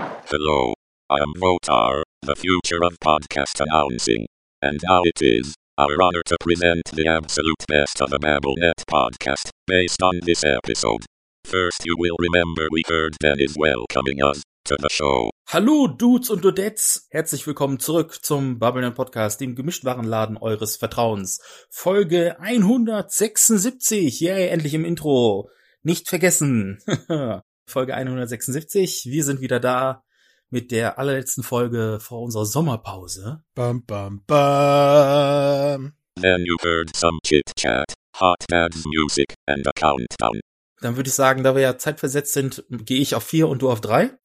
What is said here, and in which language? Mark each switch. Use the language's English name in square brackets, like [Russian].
[English] Hello, I am Votar, the future of podcast announcing, and now it is our honor to present the absolute best of the BabbleNet podcast, based on this episode. First, you will remember we heard Dennis welcoming us to the show. [German] Hallo Dudes und Dudettes, herzlich willkommen zurück zum BabbleNet Podcast, dem Gemischtwarenladen eures Vertrauens. Folge 176, yay, endlich im Intro. Nicht vergessen, Folge 176, wir sind wieder da. Mit der allerletzten Folge vor unserer Sommerpause. Bam, bam, bam. [English] Then you heard some chit-chat, hot dance music and a countdown. [German] Dann würde ich sagen, da wir ja zeitversetzt sind, gehe ich auf 4 und du auf 3.